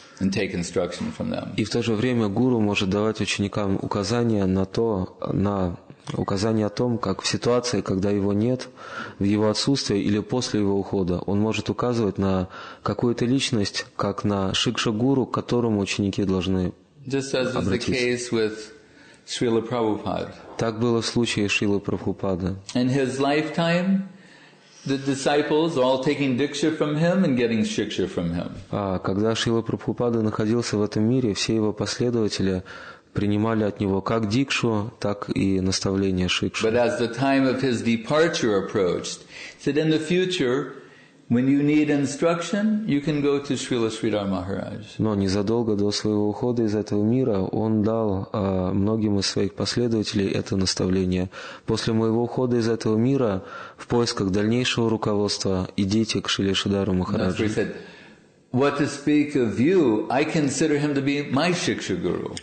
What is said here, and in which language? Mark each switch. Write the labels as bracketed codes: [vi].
[en] And take instruction from them. [ru] И в то же время гуру может давать ученикам указания на то, на указание о том, как в ситуации, когда его нет, в его отсутствии или после его ухода, он может указывать на какую-то личность, как на шикша гуру, к которому ученики должны обратиться. Так было в случае Шрилы Прабхупады. [en] In his lifetime, the disciples are all taking diksha from him and getting shiksha from him. [ru] Когда Шрила Прабхупада находился в этом мире, все его последователи принимали от него как дикшу, так и наставление шикшу. [en] But as the time of his departure approached, he said, "In the future, when you need instruction, you can go to Srila Sridhar Maharaj." [ru] Но незадолго до своего ухода из этого мира он дал многим из своих последователей это наставление. После моего ухода из этого мира в поисках дальнейшего руководства идите к Шриле Шридхару Махараджу. [en] He said, "What to speak of you? I consider him to be my Shiksha Guru."